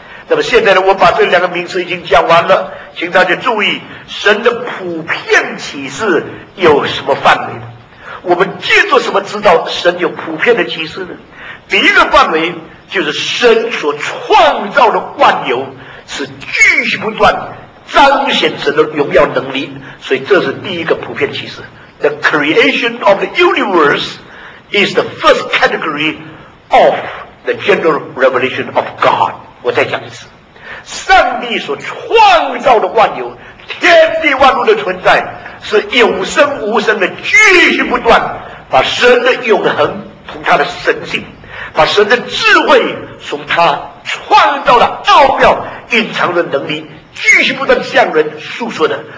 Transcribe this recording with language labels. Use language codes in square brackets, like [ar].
[zh] 那么现在呢，我把这两个名词已经讲完了，请大家注意，神的普遍启示有什么范围呢？我们借助什么知道神有普遍的启示呢？第一个范围就是神所创造的万有，是继续不断彰显神的荣耀能力。所以这是第一个普遍启示。 [en] The creation of the universe is the first category of the general revelation of God. [zh] 我再讲一次，上帝所创造的万有，天地万物的存在，是有生无生的继续不断，把神的永恒从他的神性，把神的智慧从他创造的奥妙隐藏的能力，继续不断向人诉说的。